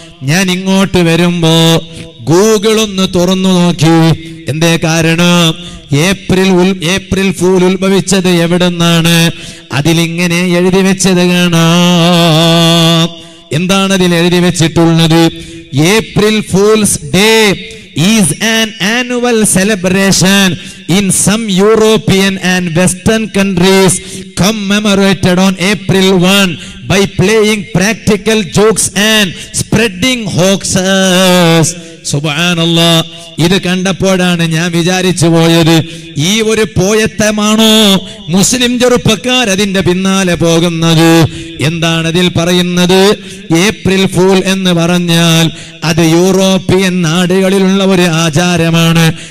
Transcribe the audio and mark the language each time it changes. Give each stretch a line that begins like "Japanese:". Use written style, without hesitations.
Malayalam: ഞാൻ ഇങ്ങോട്ട് വരുമ്പോ ഗൂഗിൾ ഒന്ന് തുറന്നു നോക്കി. എന്തേ കാരണം? April 1st ഉത്ഭവിച്ചത് എവിടെന്നാണ് അതിലിങ്ങനെ എഴുതി വെച്ചത് കാണാം. എന്താണ് അതിൽ എഴുതി വെച്ചിട്ടുള്ളത്?
English: April Fool's Day is an annual celebration in some European and Western countries commemorated on April 1st by playing practical jokes and spreading hoaxes.
Malayalam: സുബ്ഹാനല്ലാഹ്, ഇത് കണ്ടപ്പോഴാണ് ഞാൻ വിചാരിച്ചു പോയത്, ഈ ഒരു പോയത്തമാണോ മുസ്ലിം ചെറുപ്പക്കാർ അതിന്റെ പിന്നാലെ പോകുന്നത്. എന്താണ് അതിൽ പറയുന്നത്? April Fool's എന്ന് പറഞ്ഞാൽ അത് യൂറോപ്യൻ നാടുകളിലുള്ള ഒരു ആചാരമാണ്.